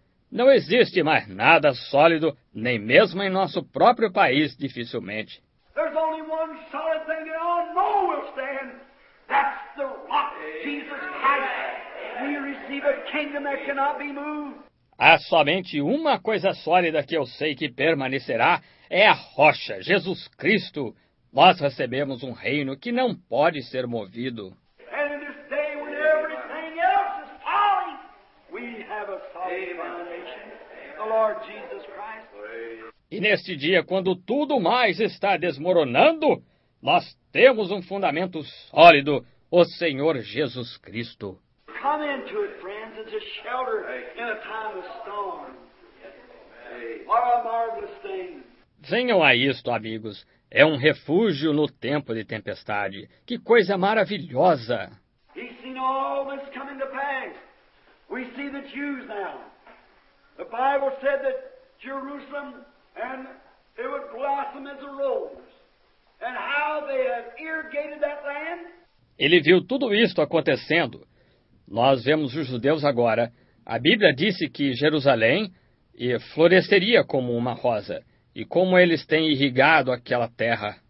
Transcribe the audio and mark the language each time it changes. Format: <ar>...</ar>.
<pt>Não existe mais nada sólido, nem mesmo em nosso próprio país, dificilmente.</pt> <en>There's only one solid thing that all know will stand. That's the rock, Jesus Christ. We receive a kingdom that cannot be moved.</en> <pt>Há somente uma coisa sólida que eu sei que permanecerá. É a rocha, Jesus Cristo. Nós recebemos um reino que não pode ser movido.</pt> <en>And in this day when everything else is falling, we have a solid foundation. The Lord Jesus Christ.</en> <pt>E neste dia, quando tudo mais está desmoronando, nós temos um fundamento sólido, o Senhor Jesus Cristo.</pt> <en>Come into it, friends, it's a shelter in a time of storm. What a marvelous thing.</en> <pt>Venham a isto, amigos. É um refúgio no tempo de tempestade. Que coisa maravilhosa!</pt> <en>He's seen all this coming to pass. We see the Jews now. The Bible said that Jerusalem. And it would blossom as a rose. And how they have irrigated that land?</en> <pt>Ele viu tudo isto acontecendo. Nós vemos os judeus agora. A Bíblia disse que Jerusalém floresceria como uma rosa. E como eles têm irrigado aquela terra.</pt>